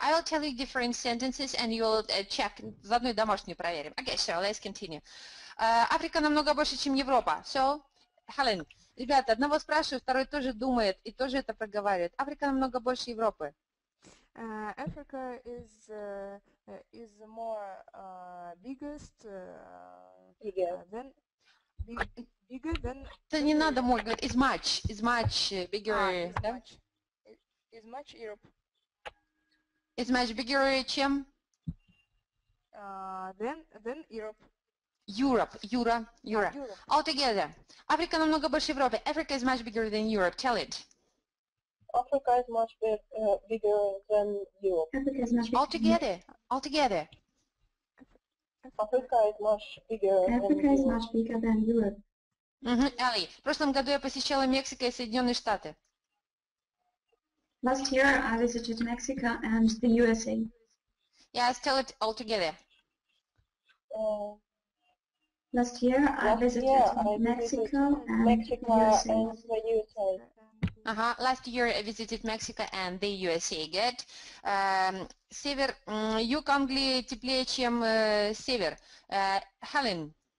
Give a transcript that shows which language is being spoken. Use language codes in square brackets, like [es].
[en] I'll tell you different sentences and you'll check. [ru] Заодно и домашнюю проверим. [en] Okay, so let's continue. [ru] Африка намного больше, чем Европа. So, Helen, ребята, одного спрашиваю, второй тоже думает и тоже это проговаривает. Африка намного больше Европы. [en] Africa is more biggest than bigger than. [ru] Это не надо, [en] more good. Is much bigger. Is much Europe. Is much bigger [ru] чем? [en] Than Europe. Europe. Altogether, Africa [ru] намного больше Европы. [en] Africa is much bigger than Europe. Tell it. Africa is much bigger than Europe. Altogether. Africa is much bigger. Africa is much bigger than Europe. Mm-hmm. [ru] Ali, в прошлом году я посещала Мексику и Соединенные Штаты. [en] Last year I visited Mexico and the USA. Yes, tell it altogether. Last year I visited Mexico and the USA. Uh-huh. Last year I visited Mexico and the USA. Good. [ru] Север, юг Англии теплее, чем север. Helen.